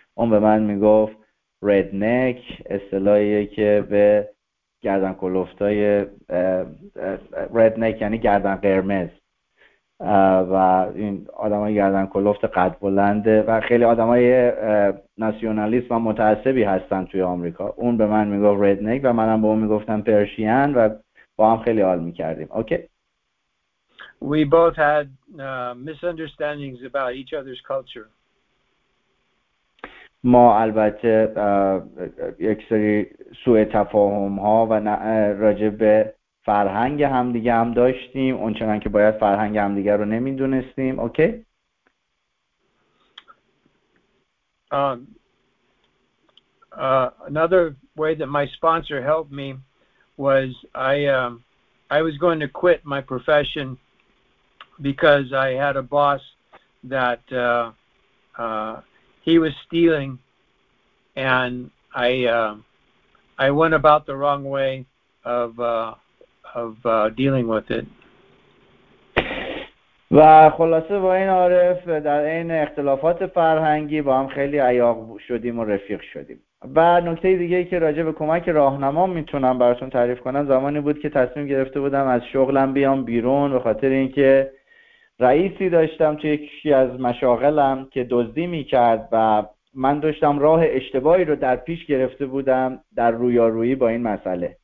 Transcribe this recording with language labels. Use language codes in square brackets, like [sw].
[fa] اون به من میگفت ردنک، اصطلاحیه که به گردن کلفتای ردنک یعنی گردن قرمز، و این آدم های گردن کلفت قد بلنده و خیلی آدم های ناسیونالیست و متعصبی هستن توی آمریکا. اون به من میگفت ردنک و منم به اون میگفتم پرشین و با هم خیلی حال میکردیم. اوکی. [en] We both had misunderstandings about each other's culture. [fa] ما البته یک سری سوء تفاهم ها و راجع به فرهنگ همدیگه هم داشتیم، اونچنان که باید فرهنگ همدیگه رو نمیدونستیم. اوکی. [en] Another way that my sponsor helped me was I was going to quit my profession because I had a boss that he was stealing, and I went about the wrong way of dealing with it. [fa] و خلاصه با این عارف در این اختلافات فرهنگی با هم خیلی عیاق شدیم و رفیق شدیم. و نکته دیگه ای که راجع به کمک راهنما میتونم براتون تعریف کنم، زمانی بود که تصمیم گرفته بودم از شغلم بیام بیرون به خاطر اینکه رئیسی داشتم توی یکی از مشاغلم که دزدی میکرد و من داشتم راه اشتباهی رو در پیش گرفته بودم در رویارویی با این مسئله.